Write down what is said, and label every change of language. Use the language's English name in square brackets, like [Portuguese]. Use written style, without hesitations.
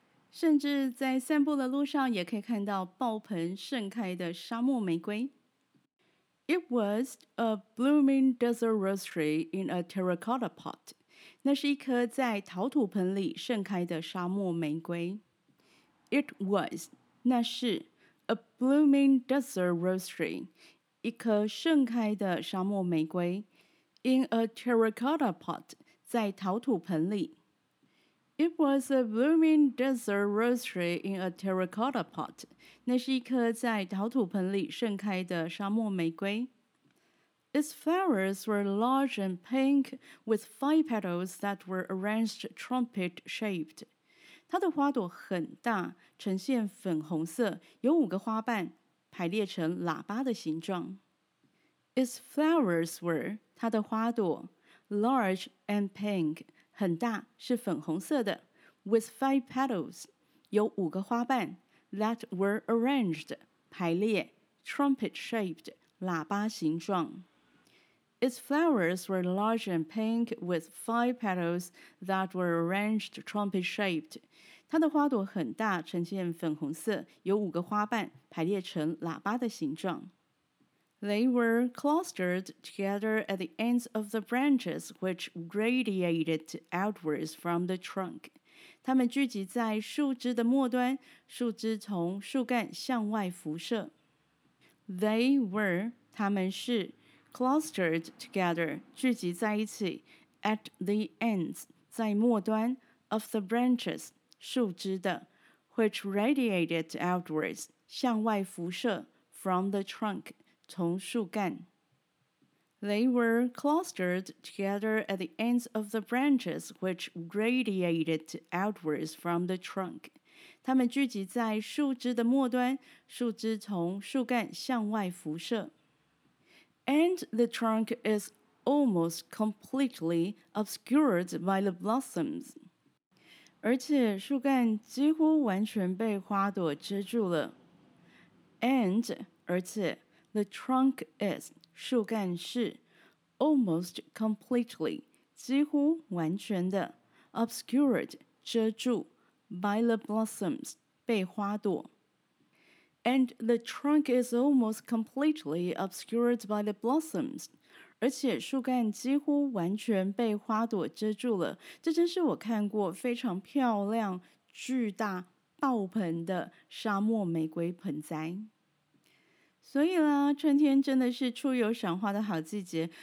[Chinese] 甚至在散步的路上，也可以看到爆盆盛开的沙漠玫瑰。 [English] It was a blooming desert rose tree in a terracotta pot. [Chinese] 那是一颗在陶土盆里盛开的沙漠玫瑰。 [English] It was, [Chinese] 那是 [English] a blooming desert rose tree. [Chinese] 一颗盛开的沙漠玫瑰 [English] In a terracotta pot [Chinese] 在陶土盆里 [English] It was a blooming desert rose tree in a terracotta pot [Chinese] 那是一颗在陶土盆里盛开的沙漠玫瑰 [English] Its flowers were large and pink with five petals that were arranged trumpet-shaped. [Chinese] 它的花朵很大，呈现粉红色，有五个花瓣排列成喇叭的形状。 [English] Its flowers were, [Chinese] 它的花朵 [English] large and pink, [Chinese] 很大，是粉红色的 [English] with five petals, [Chinese] 有五个花瓣 [English] that were arranged, [Chinese] 排列 [English] trumpet shaped, [Chinese] 喇叭形状。 [English] Its flowers were large and pink with five petals that were arranged trumpet shaped. [Chinese] 它的花朵很大，呈现粉红色，有五个花瓣排列成喇叭的形状。 [English] They were clustered together at the ends of the branches which radiated outwards from the trunk. [Chinese] 它们聚集在树枝的末端，树枝从树干向外辐射。 [English] They were, [Chinese] 它们是 [English] clustered together, [Chinese] 聚集在一起, [English] at the ends, [Chinese] 在末端, [English] of the branches, [Chinese] 树枝的, [English] which radiated outwards, [Chinese] 向外辐射, [English] from the trunk, [Chinese] 从树干。 [English] They were clustered together at the ends of the branches, which radiated outwards from the trunk. [Chinese] 它们聚集在树枝的末端, 树枝从树干向外辐射。 [English] And the trunk is almost completely obscured by the blossoms. [Chinese] 而且树干几乎完全被花朵遮住了。 [English] And, [Chinese] 而且, [English] the trunk is, [Chinese] 树干是, [English] almost completely, [Chinese] 几乎完全的, [English] obscured, [Chinese] 遮住, [English] by the blossoms, [Chinese] 被花朵。 [English] And the trunk is almost completely obscured by the blossoms. [Chinese] 而且树干几乎完全被花朵遮住了。这真是我看过非常漂亮、巨大、爆盆的沙漠玫瑰盆栽。所以啦，春天真的是出游赏花的好季节。